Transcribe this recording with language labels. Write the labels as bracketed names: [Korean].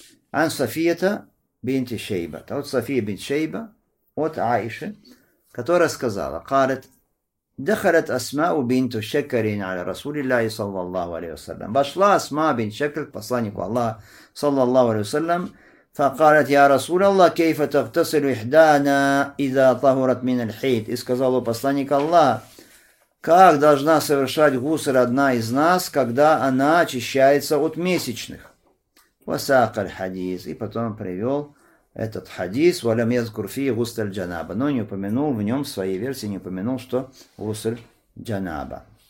[Russian] Ан Софията бинт Шейба, от София бинт Шейба, от Аиши, которая сказала, [Arabic] قالت, دخلت أسماء بنت شكر على رسول الله صلى الله عليه وسلم. [Russian] Вошла Асма бин Шакр к посланнику Аллаха, [Arabic] صلى الله عليه وسلم. فقالت يا رسول الله كيف تغتسل إحدانا إذا طهرت من الحيض. [Russian] И сказал посланник Аллаха, как должна совершать гусль одна из нас, когда она очищается от месячных. [Arabic] وساق الحديث. [Russian] И потом привел этот хадис, [Arabic] валям язкур фи гусль джанаба. [Russian] Но не упомянул в нем, в своей версии, не упомянул, что гусль джанаба.